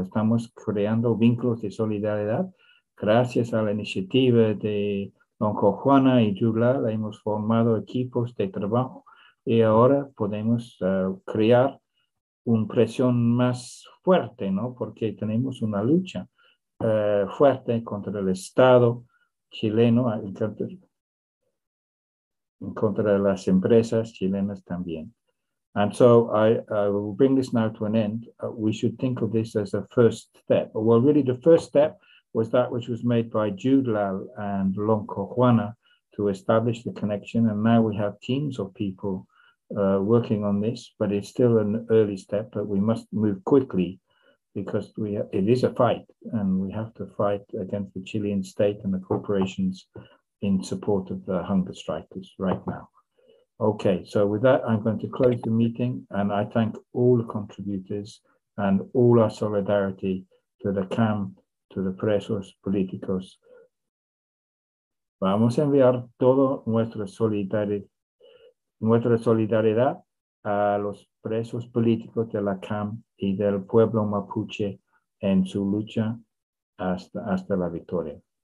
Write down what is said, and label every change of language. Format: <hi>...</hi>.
<es>Estamos creando vínculos de solidaridad. Gracias a la iniciativa de Don Juana y Yula, hemos formado equipos de trabajo y ahora podemos crear una presión más fuerte, ¿no? Porque tenemos una lucha fuerte contra el Estado chileno, contra las empresas chilenas también.</es> <en>And so I will bring this now to an end. We should think of this as a first step. Well, really, the first step was that which was made by Jude Lal and Lonko Juana to establish the connection. And now we have teams of people working on this, but it's still an early step, but we must move quickly because it is a fight, and we have to fight against the Chilean state and the corporations in support of the hunger strikers right now. Okay, so with that, I'm going to close the meeting, and I thank all the contributors and all our solidarity to the CAM, to the Presos Políticos.</en> <es>Vamos a enviar todo nuestra solidaridad a los presos políticos de la CAM y del pueblo mapuche en su lucha hasta la victoria.</es>